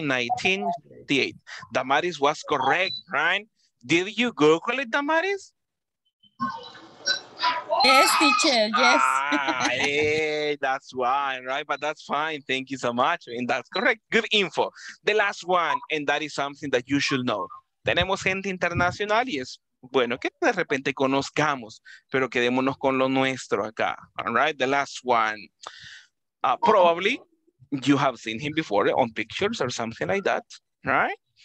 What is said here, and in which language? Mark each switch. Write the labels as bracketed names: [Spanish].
[English] 1958. Damaris was correct, right? Did you Google it, Damaris? Yes, teacher, yes. Hey, that's why, right? But that's fine. Thank you so much. And that's correct. Good info. The last one, and that is something that you should know. [Spanish] Tenemos gente internacional y es bueno que de repente conozcamos, pero quedémonos con lo nuestro acá. [English] All right, the last one. Probably you have seen him before on pictures or something like that, right?